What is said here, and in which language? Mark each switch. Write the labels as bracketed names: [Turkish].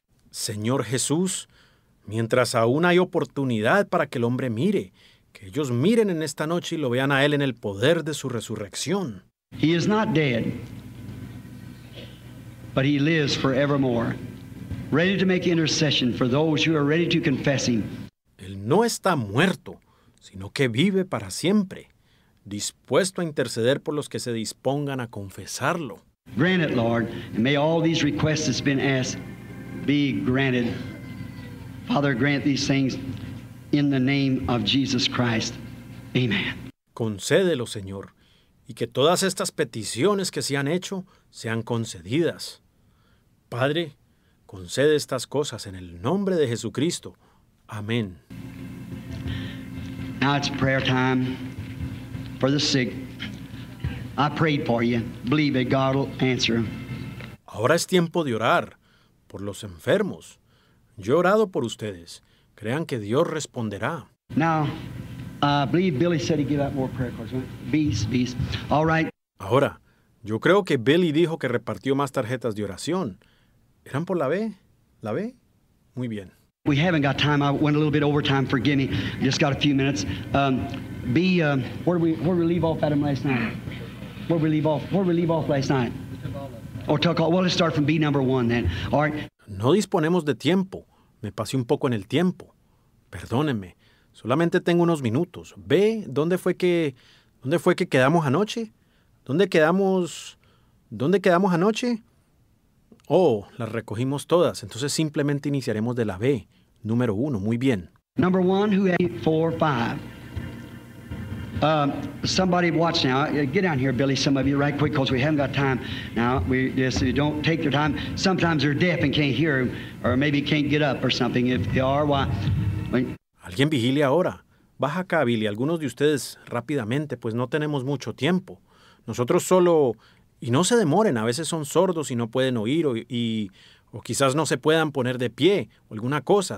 [Spanish] Señor Jesús, mientras aún hay oportunidad para que el hombre mire, que ellos miren en esta noche y lo vean a él en el poder de su resurrección. [English] He is not dead, but he lives forevermore, ready to make intercession for those who are ready to confess him. [Spanish] Él no está muerto, sino que vive para siempre, dispuesto a interceder por los que se dispongan a confesarlo. [English] Grant it, Lord, and may all these requests that's been asked be granted. Father, grant these things in the name of Jesus Christ. Amen. [Spanish] Concédelo, Señor, y que todas estas peticiones que se han hecho sean concedidas. Padre, concede estas cosas en el nombre de Jesucristo. Amén. [English] Now it's prayer time for the sick. I prayed for you. Believe that God will answer. [Spanish] Ahora es tiempo de orar por los enfermos. Yo he orado por ustedes. Crean que Dios responderá. [English] Now, I believe Billy said he'd give out more prayer cards. Beast. All right. [Spanish] Ahora, yo creo que Billy dijo que repartió más tarjetas de oración. ¿Eran por la B? ¿La B? Muy bien. [English] We haven't got time. I went a little bit over time. Forgive me. Just got a few minutes. Where did we leave off at him last night? Where did we leave off last night? Well, let's start from B number one then. All right. [Spanish] No disponemos de tiempo. Me pasé un poco en el tiempo. Perdónenme. Solamente tengo unos minutos. Ve, ¿dónde fue que quedamos anoche? ¿Dónde quedamos anoche? Oh, las recogimos todas. Entonces simplemente iniciaremos de la B, número uno. Muy bien. [English] Number one, who had 4, 5? Somebody watch now. Get down here, Billy, some of you, right quick, because we haven't got time. Now, don't take your time. Sometimes they're deaf and can't hear, or maybe can't get up or something. If they are, why? [Spanish] Alguien vigile ahora. Baja acá, Billy. Algunos de ustedes, rápidamente, pues no tenemos mucho tiempo. Nosotros solo... Y no se demoren, a veces son sordos y no pueden oír o quizás no se puedan poner de pie o alguna cosa.